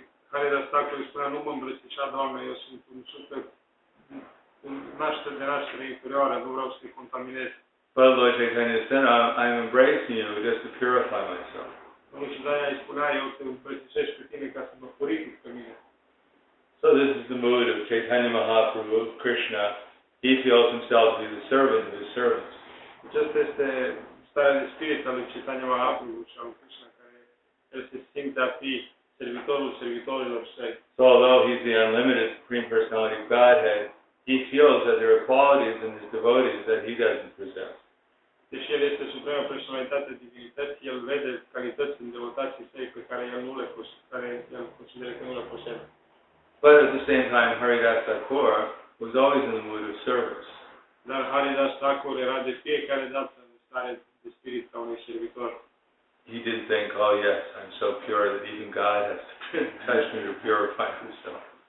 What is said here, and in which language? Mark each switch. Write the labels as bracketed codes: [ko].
[ro] Care de asta îi spunea, nu mă îmbrățișa, Doamne, eu sunt un super, un naștere de naștere inferioară, nu vreau să-i contaminez. [en] But Lord Chaitanya said, I'm embracing you just to purify myself. [ro] Domnul Chaitanya îi spunea, eu te îmbrățișesc pe tine ca să mă purific pe mine. [en] So this is the mood of Chaitanya Mahaprabhu, Krishna. He feels himself to be the servant of his servants. [ro] Acesta este starea de spirit al lui Chaitanya Mahaprabhu și al Krishna, care el se simte a fi servitorul servitorilor săi. [en] So although he's the unlimited Supreme Personality of Godhead, he feels that there are qualities in his devotees that he doesn't possess. [ro] Deși el este suprema personalitate divinității, el vede calități în devotații săi pe care el nu le consideră că nu le posedă. [en] But at the same time, Haridasa Thakur was always in the mood of service. [ro] Dar Haridasa Thakur era de fiecare dată în stare de spirit ca unui servitor. [en] He didn't think, oh yes, I'm so pure that even God has touched me to purify himself.